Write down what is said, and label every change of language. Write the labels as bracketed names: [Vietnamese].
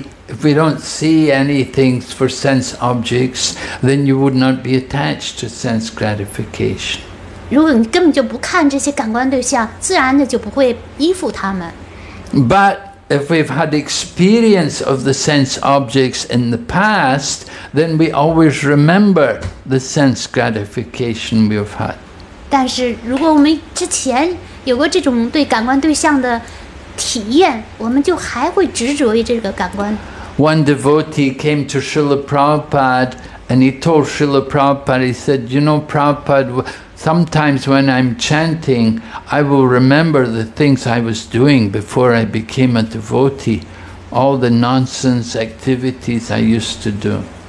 [English] If we don't see anything for sense objects, then you would not be attached to sense gratification. [Chinese] 如果你根本就不看这些感官对象，自然的就不会依附他们。 [English] But if we've had experience of the sense objects in the past, then we always remember the sense gratification we've had. [Chinese] 但是如果我们之前有过这种对感官对象的体验，我们就还会执着于这个感官。 [English] One devotee came to Srila Prabhupada and he told Srila Prabhupada, he said, you know, Prabhupada, sometimes when I'm chanting, I will remember the things I was doing before I became a devotee, all the nonsense activities I used to do.